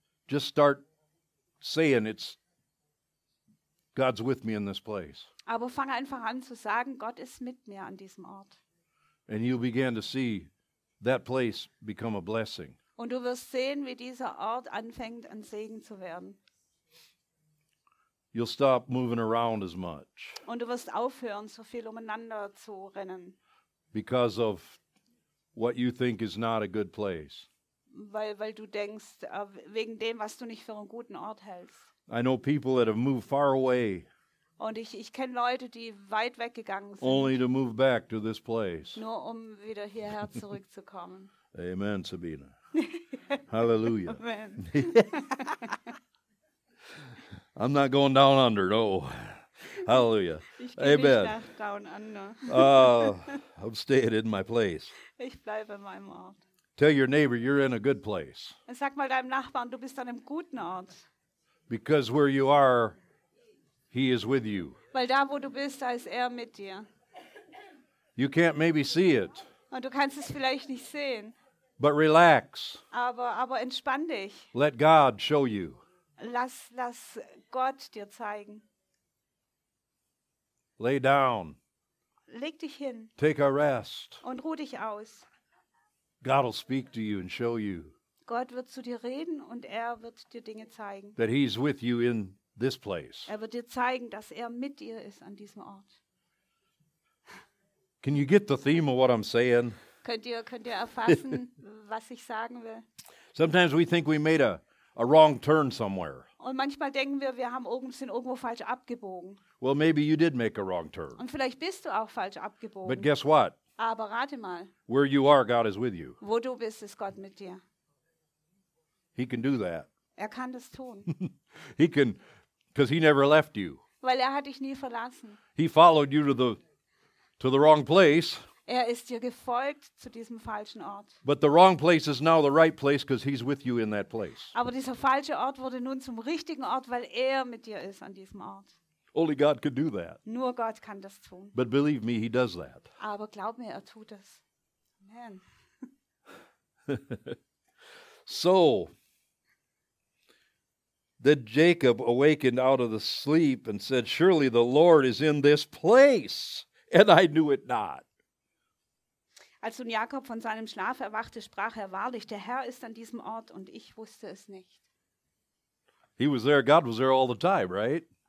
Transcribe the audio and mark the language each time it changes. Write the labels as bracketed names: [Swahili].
[English] Just start saying it's God's with me in this place. [German] Aber fang einfach an zu sagen, Gott ist mit mir an diesem Ort. [English] And you begin to see that place become a blessing. [German] Und du wirst sehen, wie dieser Ort anfängt, ein Segen zu werden. [English] You'll stop moving around as much. [German] Und du wirst aufhören, so viel umeinander zu rennen. [English] Because of what you think is not a good place. [German] Weil du denkst, wegen dem, was du nicht für einen guten Ort hältst. [English] I know people that have moved far away. [German] Und ich kenne Leute, die weit weggegangen sind. [English] Only to move back to this place. [German] Nur um wieder hierher zurückzukommen. Amen, Sabina. Hallelujah. Amen. [English] I'm not going down under, no. Hallelujah. [German] Ich gehe nicht nach down under. [English] I'm staying in my place. [German] Ich bleibe in meinem Ort. [English] Tell your neighbor you're in a good place. [German] Sag mal deinem Nachbarn, du bist an einem guten Ort. [English] Because where you are, he is with you. [German] Weil da, wo du bist, da ist er mit dir. [English] You can't maybe see it. [German] Und du kannst es vielleicht nicht sehen. [English] But relax. [German] Aber entspann dich. [English] Let God show you. [German] Lass Gott dir zeigen. [English] Lay down. [German] Leg dich hin. [English] Take a rest. [German] Und ruh dich aus. [English] God will speak to you and show you. [German] Gott wird zu dir reden und er wird dir Dinge zeigen. [English] That he's with you in this place. [German] Er wird dir zeigen, dass er mit dir ist an diesem Ort. [English] Can you get the theme of what I'm saying? [German] Könnt ihr erfassen, was ich sagen will? [English] Sometimes we think we made a wrong turn somewhere. [German] Und manchmal denken wir haben irgendwo falsch abgebogen. [English] Well, maybe you did make a wrong turn. [German] Und vielleicht bist du auch falsch abgebogen. [English] But guess what? [German] Aber rate mal. [English] Where you are, God is with you. [German] Wo du bist, ist Gott mit dir. [English] He can do that. [German] Er kann das tun. [English] He can, because he never left you. [German] Weil er hat dich nie verlassen. [English] He followed you to the wrong place. [German] Er ist dir gefolgt zu diesem falschen Ort. [English] But the wrong place is now the right place because he's with you in that place. [German] Aber dieser falsche Ort wurde nun zum richtigen Ort, weil er mit dir ist an diesem Ort. [English] Only God could do that. [German] Nur Gott kann das tun. [English] But believe me, he does that. [German] Aber glaub mir, er tut das. Amen. [English] So, then Jacob awakened out of the sleep and said, surely the Lord is in this place, and I knew it not. [German] Als nun Jakob von seinem Schlaf erwachte, sprach er, wahrlich, der Herr ist an diesem Ort, und ich wusste es nicht. [English] He was there, God was there all the time, right?